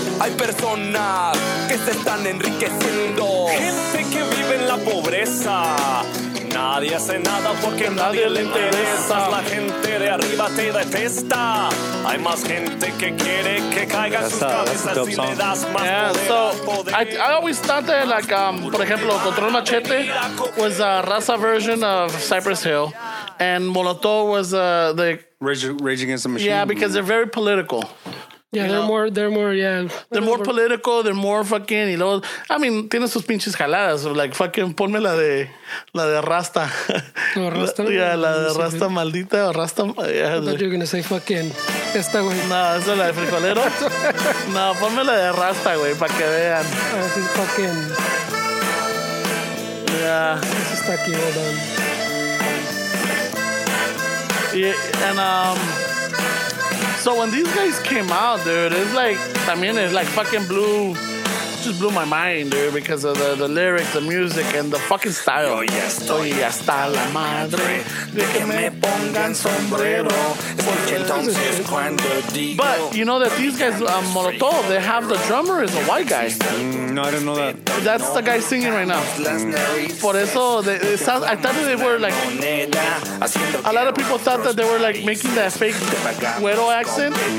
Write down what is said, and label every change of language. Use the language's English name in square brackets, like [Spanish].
[Spanish] Hay personas que se están enriqueciendo, gente que vive en la pobreza. Nadie hace nada porque nadie le interesa. La gente de arriba te detesta. Hay más gente que quiere que caiga en sus cabezas si le das más poder. [English] So I always thought that, like, [Spanish] por ejemplo, [English] Control Machete was a Raza version of Cypress Hill, and Molotov was the Rage Against the Machine. Yeah, because they're very political. Yeah, they're more political, they're more fucking, [Spanish] y luego, [English] I mean, [Spanish] tiene sus pinches jaladas, [English] like, fucking, [Spanish] ponme la de Rasta. No, Rasta. La de Rasta. Maldita, o Rasta. [English] Yeah. I thought you were going to say fucking [Spanish] esta, güey. No, esa es la de frijolero. No, ponme la de Rasta, güey, para que vean. [English] This is fucking. Yeah. This is tacky, hold on. Yeah, and, so when these guys came out, dude, it's like, I mean, it's like fucking blew my mind, dude, because of the lyrics, the music, and the fucking style. [Spanish] Estoy hasta la madre de que me pongan sombrero, porque entonces cuando digo. [English] But you know that these guys, Molotov, they have the drummer is a white guy. No, I didn't know that. That's the guy singing right now. [Spanish] Por eso, [English] I thought that they were like, a lot of people thought that they were like making that fake güero accent.